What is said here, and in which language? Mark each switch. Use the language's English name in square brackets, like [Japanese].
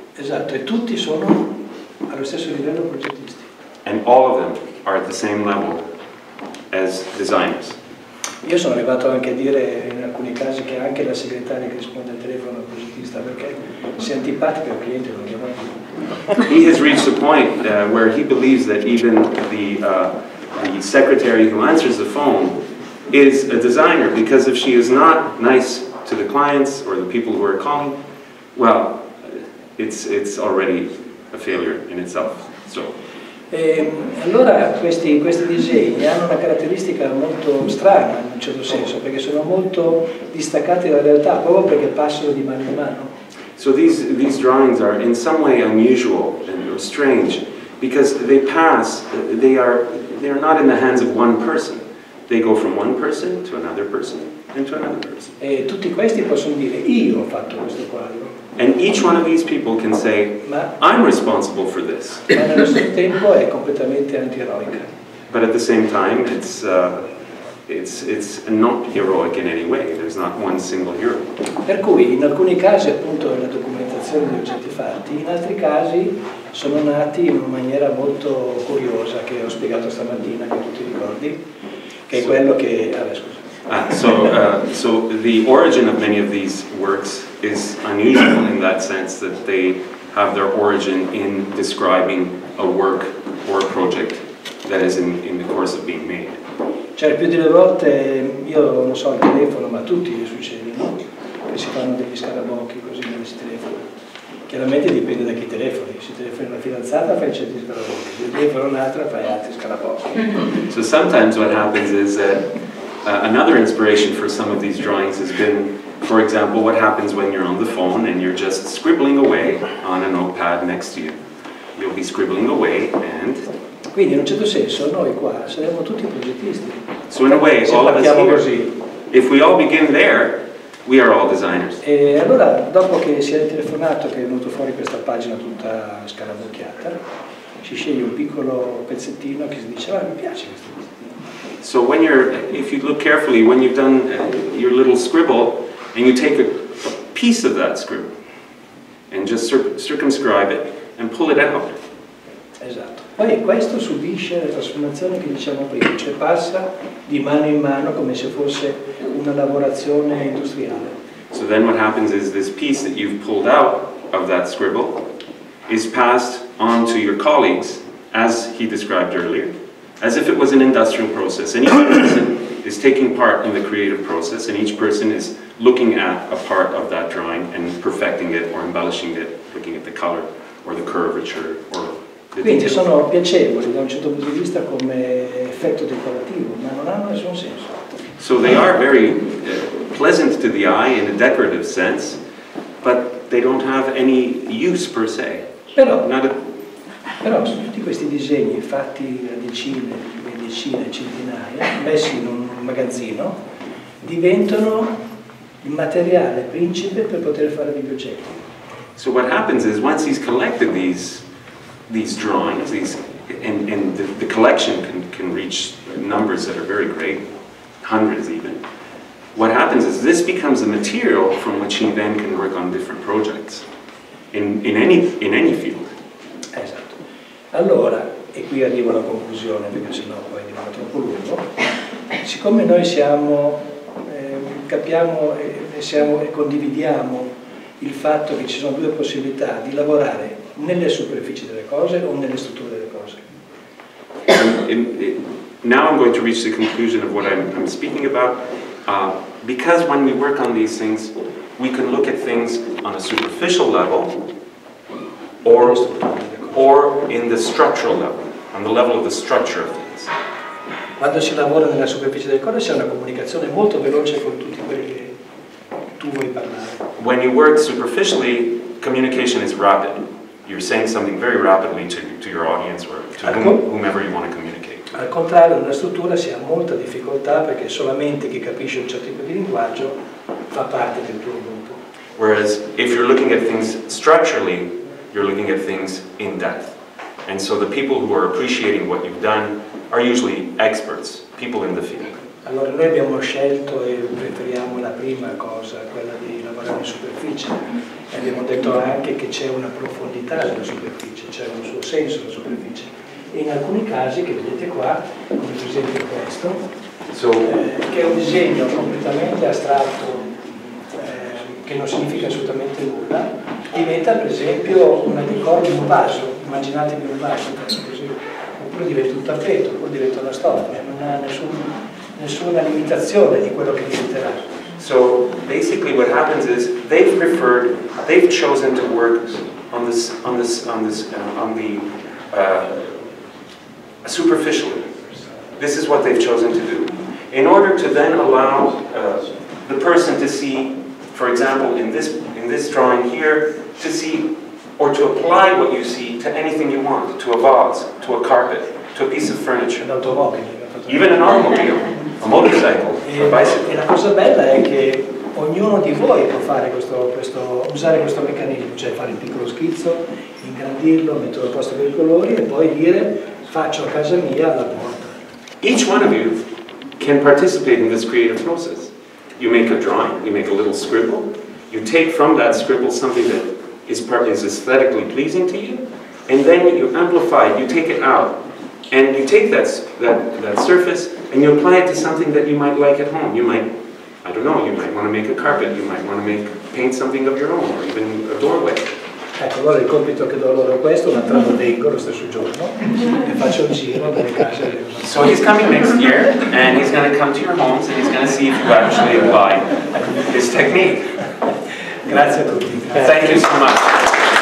[Italian] Esatto, e tutti sono allo stesso livello progettisti. [English] And all of them are at the same level as designers. [Italian] Io sono arrivato anche a dire in alcuni casi che anche la segretaria che risponde al telefono è progettista, perché se è antipatico il cliente non chiama più. [English] He has reached a point where he believes that even the secretary who answers the phone is a designer, because if she is not nice to the clients or the people who are calling, well, it's already a failure in itself. So. [Italian] Allora questi disegni hanno una caratteristica molto strana in un certo senso, perché sono molto distaccati dalla realtà proprio perché passano di mano in mano. [English] So these drawings are in some way unusual and strange because they pass, they are not in the hands of one person. They go from one person to another person and to another person. [Italian] E tutti questi possono dire, io ho fatto questo quadro. [English] And each one of these people can say, I'm responsible for this. [Italian] Ma nello stesso tempo è completamente antieroica. [English] But at the same time, it's not heroic in any way. There's not one single hero. [Italian] Per cui in alcuni casi appunto è la documentazione degli oggetti fatti, in altri casi sono nati in una maniera molto curiosa che ho spiegato stamattina, che tu ti ricordi, che è quello che [English] So the origin of many of these works is unusual in that sense that they have their origin in describing a work or a project that is in the course of being made. [Italian] Cioè, più delle volte, io non so il telefono, ma a tutti gli succede, no? Che si fanno degli scarabocchi così quando si telefona. Chiaramente dipende da chi telefoni. Se telefoni una fidanzata, fai certi scarabocchi. Se telefoni un'altra, fai altri scarabocchi. [English] So sometimes what happens is that another inspiration for some of these drawings has been, for example, what happens when you're on the phone and you're just scribbling away on a notepad next to you. You'll be scribbling away and... [Italian] Quindi in un certo senso noi qua saremo tutti progettisti. [English] So in a way, all of us here, così. If we all begin there, we are all designers. [Italian] E allora, dopo che si è telefonato, che è venuto fuori questa pagina tutta scarabocchiata, si sceglie un piccolo pezzettino che si dice, mi piace questo pezzettino. [English] So when you're, if you look carefully, when you've done your little scribble, and you take a piece of that scribble, and just circumscribe it, and pull it out. [Italian] Esatto. Poi questo subisce la trasformazione che diciamo prima, cioè passa di mano in mano come se fosse una lavorazione industriale. [English] So then what happens is this piece that you've pulled out of that scribble is passed on to your colleagues, as he described earlier. as if it was an industrial process. And each person is taking part in the creative process, and each person is looking at a part of that drawing and perfecting it or embellishing it, looking at the color or the curvature or the quindi detail. [Italian] Sono piacevoli da un certo punto di vista come effetto decorativo, ma non hanno nessun senso. [English] So they are very pleasant to the eye in a decorative sense, but they don't have any use per se. [Italian] Però tutti questi disegni fatti da decine e decine e centinaia, messi in un magazzino, diventano il materiale principe per poter fare degli oggetti. [English] So what happens is once he's collected these drawings, these and the collection can reach numbers that are very great, hundreds even. What happens is this becomes a material from which he then can work on different projects in any field. [Italian] Esatto. Allora, e qui arrivo alla conclusione perché sennò poi diventa troppo lungo. Siccome noi siamo capiamo e siamo e condividiamo il fatto che ci sono due possibilità di lavorare nelle superfici delle cose o nelle strutture delle cose. [English] Now I'm going to reach the conclusion of what I'm speaking about. Because when we work on these things, we can look at things on a superficial level or in the structural level, on the level of the structure of things. [Italian] Quando si lavora nella superficie del corpo c'è una comunicazione molto veloce con tutti quelli che tu vuoi parlare. [English] When you work superficially, communication is rapid. You're saying something very rapidly to your audience or to whomever you want to communicate. [Italian] Al contrario, nella struttura si ha molta difficoltà perché solamente chi capisce un certo tipo di linguaggio fa parte del tuo gruppo. [English] Whereas if you're looking at things structurally, you're looking at things in depth. And so the people who are appreciating what you've done are usually experts, people in the field. [Italian] Allora noi abbiamo scelto e preferiamo la prima cosa, quella di lavorare in superficie. E abbiamo detto anche che c'è una profondità della superficie, c'è un suo senso della superficie. E in alcuni casi che vedete qua, come per esempio questo, che è un disegno completamente astratto, che non significa assolutamente nulla, diventa per esempio una decor di un vaso. Immaginatevi un vaso, così. Oppure diventa un tappeto, oppure diventa una storia, non ha nessuna limitazione di quello che diventerà. [English] So basically what happens is they've chosen to work on the superficially. This is what they've chosen to do. In order to then allow the person to see, for example, in this drawing here, to see or to apply what you see to anything you want, to a vase, to a carpet, to a piece of furniture. An automobile. Even an automobile. A motorcycle, a bicycle. [Italian] E la cosa bella è che ognuno di voi può fare questo usare questo meccanismo, cioè fare il piccolo schizzo, ingrandirlo, metterlo al posto per i colori e poi dire faccio a casa mia la porta. [English] Each one of you can participate in this creative process. You make a drawing, you make a little scribble, you take from that scribble something that is aesthetically pleasing to you, and then you amplify it, you take it out. And you take that surface and you apply it to something that you might like at home. You might, I don't know, you might want to make a carpet, you might want to paint something of your own, or even a doorway. [Italian] Ecco, allora il compito che do loro è questo, ma tra leggo lo stesso giorno e faccio il giro delle case. [English] So he's coming next year and he's going to come to your homes and he's going to see if you actually apply his technique. [Italian] Grazie a tutti. [English] Thank you so much.